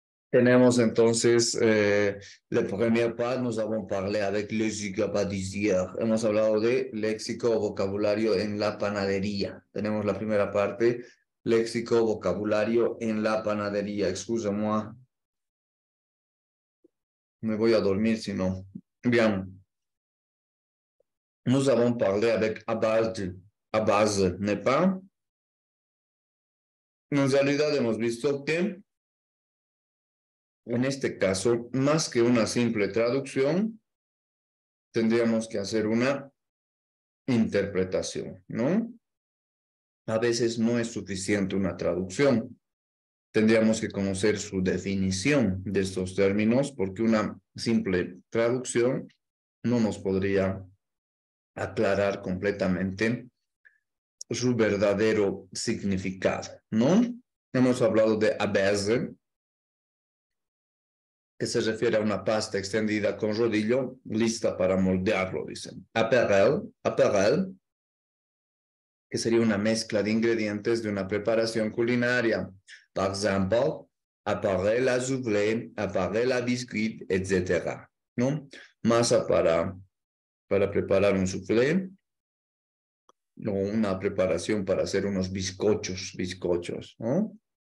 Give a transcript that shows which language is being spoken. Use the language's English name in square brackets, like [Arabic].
[Spanish] Tenemos entonces, la primera parte, [French] nous avons parlé avec le gigabadisier. [Spanish] Hemos hablado de léxico o vocabulario en la panadería. Tenemos la primera parte, léxico o vocabulario en la panadería. [French] Excusez-moi. [Spanish] Me voy a dormir, si no. Bien. [French] Nous avons parlé avec Abaz, n'est pas? [Spanish] En realidad hemos visto que en este caso, más que una simple traducción, tendríamos que hacer una interpretación, ¿no? A veces no es suficiente una traducción. Tendríamos que conocer su definición de estos términos, porque una simple traducción no nos podría aclarar completamente su verdadero significado, ¿no? Hemos hablado de abaze, que se refiere a una pasta extendida con rodillo, lista para moldearlo, dicen. Aperel, que sería una mezcla de ingredientes de una preparación culinaria. [French] Par exemple, aperel à soufflé, aperel à biscuit, etc. [Spanish] ¿No? Masa para preparar un soufflé, o una preparación para hacer unos bizcochos. ¿No?